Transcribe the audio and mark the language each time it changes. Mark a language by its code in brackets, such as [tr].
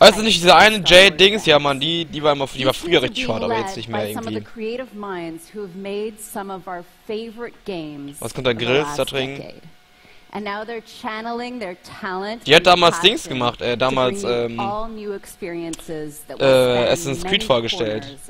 [de] Also nicht diese eine Jade-Dings, ja man, die war immer, die war früher richtig hot, aber jetzt nicht mehr irgendwie. [en] Some of the creative minds who have made some of our favorite games. [de] Was kommt da Grills da trinken? [en] And now they're channeling their talent. [de] Die hat damals Dings gemacht, damals Assassin's Creed vorgestellt.